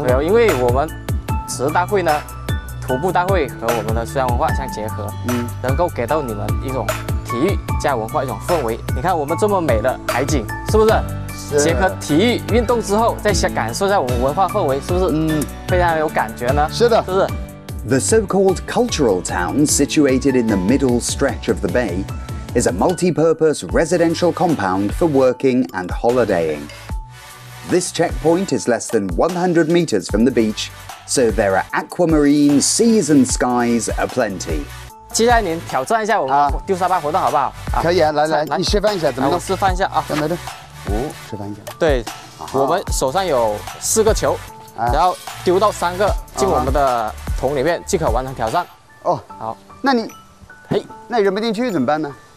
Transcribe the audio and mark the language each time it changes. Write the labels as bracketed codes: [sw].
[zh] 没有，因为我们此次大会呢，徒步大会和我们的书香文化相结合，能够给到你们一种体育加文化一种氛围。你看我们这么美的海景，是不是？结合体育运动之后，再感受一下我们文化氛围，是不是非常有感觉呢？是的，是不是 [en] ？The so-called cultural town situated in the middle stretch of the bay is a multi-purpose residential compound for working and holidaying. This checkpoint is less than 100 meters from the beach, so there are aquamarine seas and skies aplenty. [zh] 期待您挑战一下我们丢沙包活动，好不好？可以啊，来，你示范一下怎么弄？我示范一下啊，等等。示范一下。对，我们手上有4个球，然后丢到3个进我们的桶里面，即可完成挑战。好，那你，那扔不进去怎么办呢？